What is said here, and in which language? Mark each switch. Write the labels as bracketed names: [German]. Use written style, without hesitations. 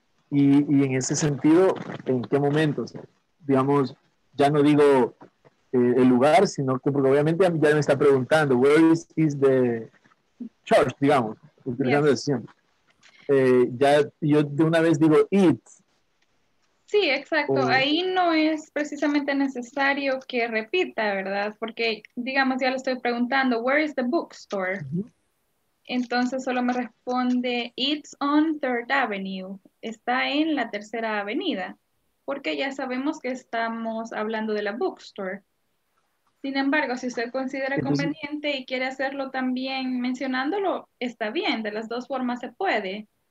[Spanish] Y en ese sentido, ¿en qué momentos? Digamos, ya no digo el lugar, sino que porque obviamente ya me está preguntando, [English] where is the church, [Spanish] digamos, utilizando la decisión. Ya yo de una vez digo it's. Sí, exacto. Ahí no es precisamente necesario que repita, ¿verdad? Porque, digamos, ya le estoy preguntando, [English] where is the bookstore? [Spanish] Entonces solo me responde, [English] it's on Third Avenue. [Spanish] Está en la tercera avenida. Porque ya sabemos que estamos hablando de la bookstore. Sin embargo, si usted considera entonces, conveniente y quiere hacerlo también mencionándolo, está bien, de las dos formas se puede.